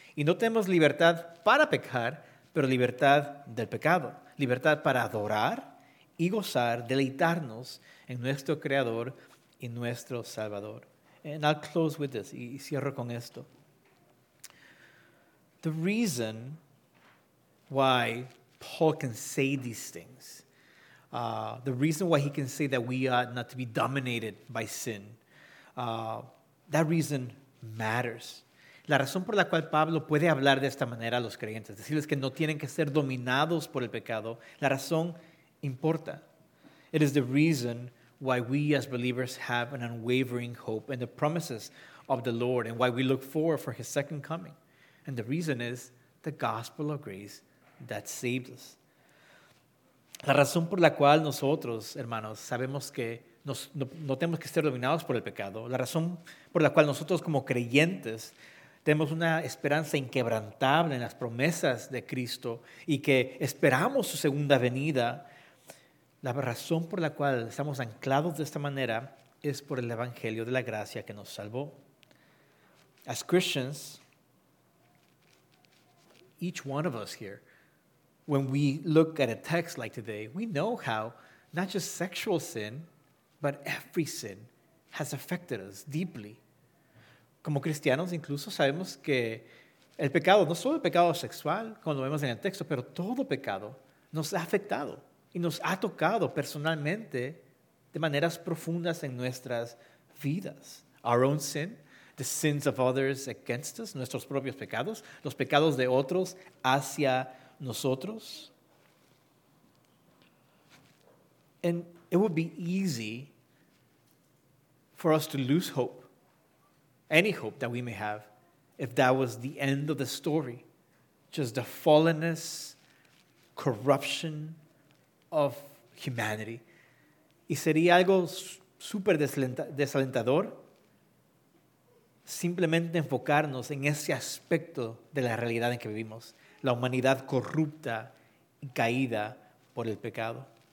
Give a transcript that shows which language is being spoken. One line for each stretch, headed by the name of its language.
Spanish: Y no tenemos libertad para pecar, pero libertad del pecado. Libertad para adorar y gozar, deleitarnos en nuestro Creador y nuestro Salvador.
English: And I'll close with this,
Spanish: y cierro con esto.
English: The reason why Paul can say these things, the reason why he can say that we ought not to be dominated by sin, that reason matters.
Spanish: La razón por la cual Pablo puede hablar de esta manera a los creyentes, decirles que no tienen que ser dominados por el pecado, la razón importa.
English: It is the reason why we as believers have an unwavering hope in the promises of the Lord and why we look forward for his second coming. And the reason is the gospel of grace that saved us.
Spanish: La razón por la cual nosotros, hermanos, sabemos que no tenemos que ser dominados por el pecado, la razón por la cual nosotros como creyentes tenemos una esperanza inquebrantable en las promesas de Cristo y que esperamos su segunda venida, La razón por la cual estamos anclados de esta manera es por el Evangelio de la gracia que nos salvó.
English: As Christians, each one of us here, when we look at a text like today, we know how not just sexual sin, but every sin has affected us deeply.
Spanish: Como cristianos, incluso sabemos que el pecado, no solo el pecado sexual, como lo vemos en el texto, pero todo pecado nos ha afectado y nos ha tocado personalmente de maneras profundas en nuestras vidas.
English: Our own sin, the sins of others against us,
Spanish: nuestros propios pecados, los pecados de otros hacia nosotros.
English: And it would be easy for us to lose hope, any hope that we may have, if that was the end of the story, just the fallenness, corruption of humanity.
Spanish: Y sería algo súper desalentador simplemente enfocarnos en ese aspecto de la realidad en que vivimos, la humanidad corrupta y caída por el pecado.